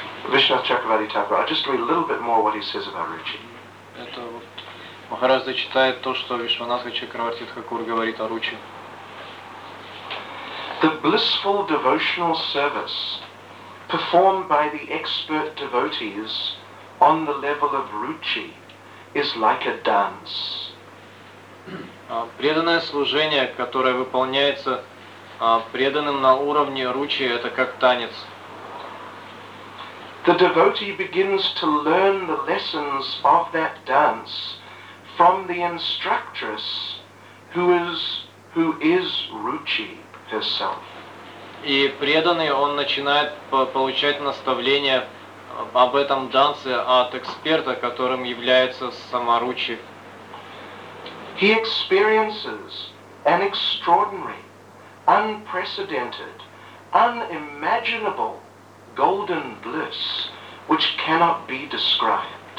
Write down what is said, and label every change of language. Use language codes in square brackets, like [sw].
[en] Vishnu Chakravarti Thakur, I'll just read a little bit more what he says about ruchi. [ru] Это вот Махарадж зачитает то, что Вишванатха Чакраварти Тхакур говорит о ручи. [en] The blissful devotional service performed by the expert devotees on the level of ruchi is like a dance. [ru] Преданное служение, которое выполняется преданным на уровне ручи, это как танец. [en] The devotee begins to learn the lessons of that dance from the instructress who is ruchi herself. [ru] И преданный, он начинает получать наставления об этом танце от эксперта, которым является сама ручи. [en] He experiences an extraordinary, unprecedented, unimaginable golden bliss, which cannot be described.